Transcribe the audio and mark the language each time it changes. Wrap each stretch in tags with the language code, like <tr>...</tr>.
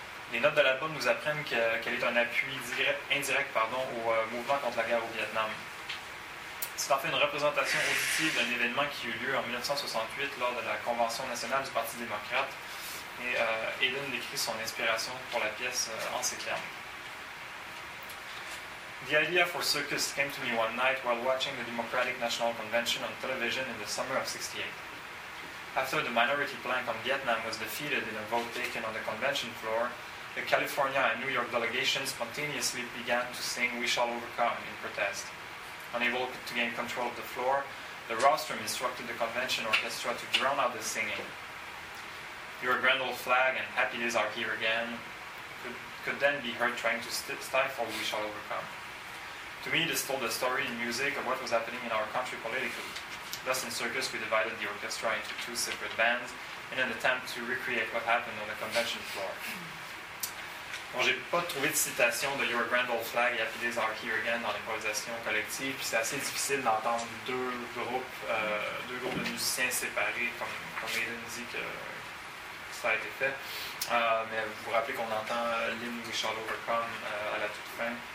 <fr>Les notes de l'album nous apprennent qu'elle est un appui indirect, au mouvement contre la guerre au Vietnam. C'est en fait une représentation auditive d'un événement qui eut lieu en 1968 lors de la Convention nationale du Parti démocrate, et Hayden décrit son inspiration pour la pièce en ces termes.</fr> <en>The idea for Circus came to me one night while watching the Democratic National Convention on television in the summer of 68. After the minority plank on Vietnam was defeated in a vote taken on the convention floor, the California and New York delegations spontaneously began to sing We Shall Overcome in protest. Unable to gain control of the floor, the rostrum instructed the convention orchestra to drown out the singing. Your grand old flag and happy days are here again could then be heard trying to stifle We Shall Overcome. To me, this told the story in music of what was happening in our country politically. Thus, in Circus, we divided the orchestra into two separate bands in an attempt to recreate what happened on the convention floor.</en> <fr>Bon, j'ai pas trouvé de citation de Your Grand Old Flag et Happy Days Are Here Again dans l'improvisation collective, puis c'est assez difficile d'entendre deux groupes de musiciens séparés, comme Hayden dit que ça a été fait. Mais vous vous rappelez qu'on entend l'hymne We Shall Overcome à la toute fin.</fr>